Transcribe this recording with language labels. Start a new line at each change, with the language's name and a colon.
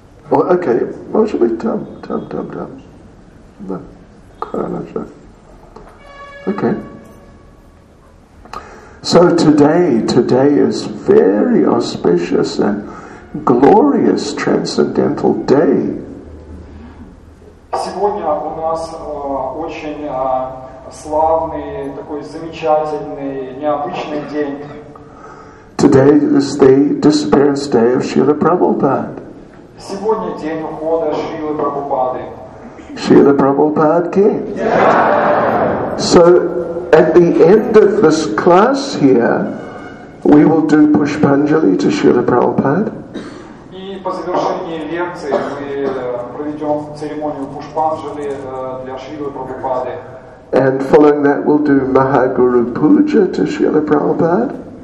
English: Oh, okay. What should we tum? No. Kralaja. Okay. So today is very auspicious and glorious transcendental day.
Russian: Сегодня у нас очень славный, такой замечательный, необычный день.
English: Today is the disappearance day of Srila Prabhupada.
Russian: Сегодня день ухода Шрилы Прабхупады.
English: Srila Prabhupada came. So at the end of this class here, we will do Pushpanjali to Srila Prabhupada. And following that, we'll do Mahaguru Puja to Srila